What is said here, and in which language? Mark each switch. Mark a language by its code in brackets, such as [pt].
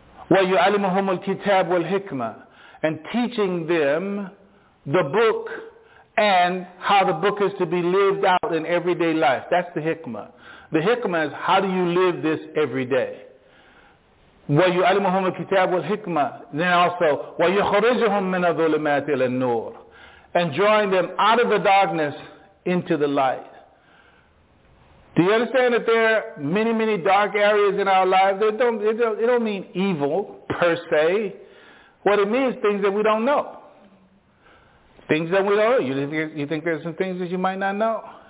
[ar] Wa yu'alimuhum al-kitab wal-hikmah, [en] and teaching them the book and how the book is to be lived out in everyday life. That's the hikmah. The hikmah is how do you live this every day? [ar] وَيُعَلِّمُهُمُ الْكِتَابَ وَالْحِكْمَةَ. [en] Then also, [ar] وَيُخْرِجُهُمْ مِنَ الظُّلُمَاتِ إِلَى النُّورِ. [en] And join them out of the darkness into the light. Do you understand that there are many, many dark areas in our lives? It don't mean evil per se. What it means, things that we don't know. Things that we don't know. You think there's some things that you might not know?